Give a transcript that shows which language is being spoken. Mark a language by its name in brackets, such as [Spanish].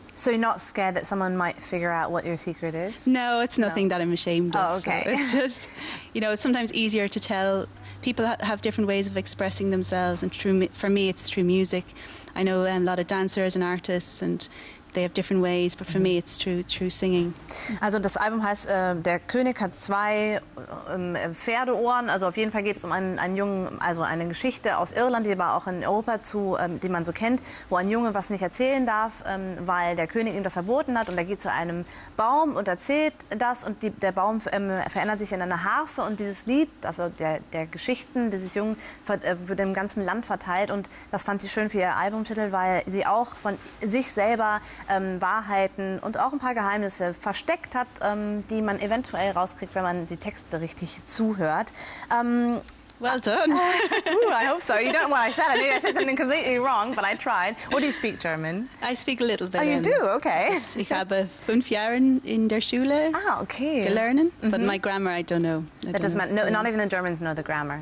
[English] so you're not scared that someone might figure out what your secret is? No, it's nothing that I'm ashamed of. Oh, okay. So it's just, you know, it's sometimes easier to tell. People have different ways of expressing themselves, and for me it's through music. I know a lot of dancers and artists, and they have different ways, but for me it's through singing. [German] Also das Album heißt Der König hat zwei Pferdeohren. Also auf jeden Fall geht es um einen Jungen, also eine Geschichte aus Irland, die war auch in Europa zu, die man so kennt, wo ein Junge was nicht erzählen darf, weil der König ihm das verboten hat. Und er geht zu einem Baum und erzählt das, und der Baum verändert sich in eine Harfe. Und dieses Lied, also der Geschichten dieses Jungen, wird im ganzen Land verteilt. Und das fand sie schön für ihr Albumtitel, weil sie auch von sich selber Wahrheiten und auch ein paar Geheimnisse versteckt hat, die man eventuell rauskriegt, wenn man die Texte richtig zuhört. [English] Well done. I hope so. You don't know what I said. I mean, I said something completely wrong, but I tried. What do you speak German? I speak a little bit. Oh, you do? Okay. [German] Ich habe 5 Jahre in der Schule. Ah, okay. Gelernen. [English] Mm-hmm. But my grammar, I don't know. Not even the Germans know the grammar.